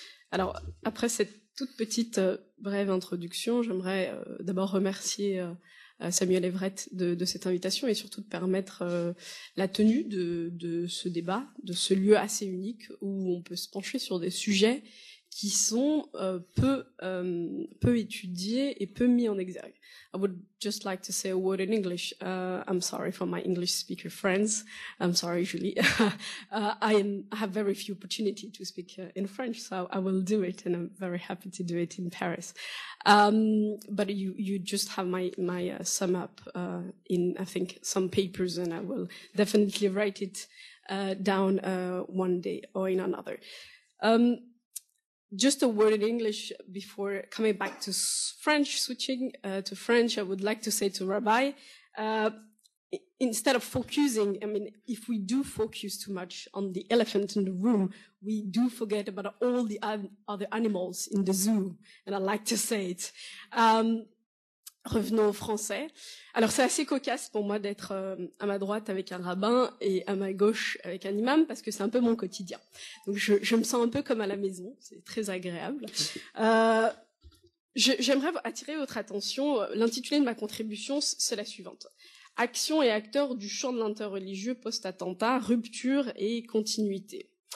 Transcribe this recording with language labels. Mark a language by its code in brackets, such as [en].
[fr] Alors, après cette toute petite brève introduction, j'aimerais d'abord remercier Samuel Everett de cette invitation et surtout de permettre la tenue de ce débat, de ce lieu assez unique où on peut se pencher sur des sujets qui sont peu étudiés et peu mis en exergue. [en] I would just like to say a word in English. I'm sorry for my English speaker friends. I'm sorry, Julie. I have very few opportunities to speak in French, so I will do it, and I'm very happy to do it in Paris. But you just have my sum up in, I think, some papers, and I will definitely write it down one day or in another. Just a word in English before coming back to French, switching to French. I would like to say to Rabbi, instead of focusing, I mean, if we do focus too much on the elephant in the room, we do forget about all the other animals in the zoo, and I like to say it. [fr] Revenons au français. Alors, c'est assez cocasse pour moi d'être à ma droite avec un rabbin et à ma gauche avec un imam, parce que c'est un peu mon quotidien. Donc, je me sens un peu comme à la maison. C'est très agréable. J'aimerais attirer votre attention. L'intitulé de ma contribution, c'est la suivante. Action et acteurs du champ de l'interreligieux post-attentat, rupture et continuité.